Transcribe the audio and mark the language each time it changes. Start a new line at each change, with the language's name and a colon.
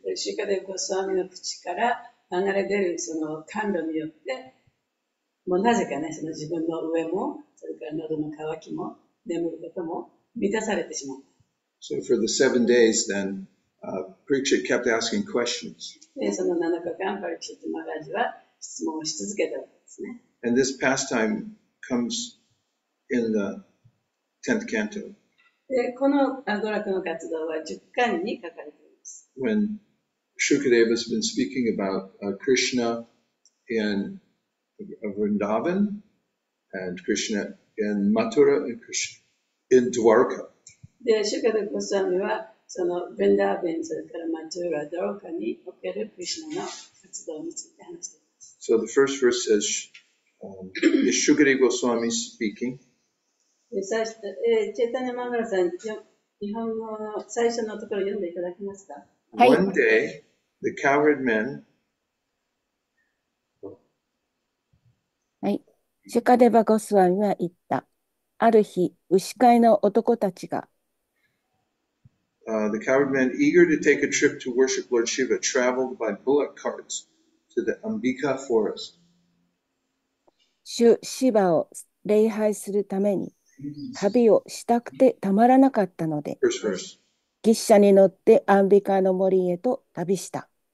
Japanese: Shukadeva Goswami の口から流れ出るその甘露によって、もうなぜかね、その自分の上も、それから喉の渇きも、眠ることも満たされてしまった。
English: So for the 7 days, then, Preacher kept asking questions.
Japanese: で、その7日間、パリクシットマハラジは質問をし続けたわけですね。
English: And this pastime comes in the 10th canto.
Japanese: で、この娯楽の活動は10巻に書かれています。
English: When Shukadeva has been speaking about Krishna in Vrindavan and Krishna in Mathura and Krishna in Dwarka.
Japanese: で、Shukadeva Goswami はその Vrindavan それから Mathura Dwarka における Krishna の活動について話しています。
English: So the first verse says, is Shukadeva Goswami speaking?
Japanese: Chaitanya Mahaprabhu-san、日本語の最初のところを読んでいただけますか？
English: はい。One day,The cowherd men.
Japanese: はい。シュカデヴァゴスワミは言った。ある日、牛飼いの男たちが。
English: The cowherd men, eager to take a trip to worship Lord Shiva, traveled by bullock carts to the Ambika forest.
Japanese: シュシバを礼拝するために、旅をしたくてたまらなかったので、牛車に乗ってアンビカの森へと旅した。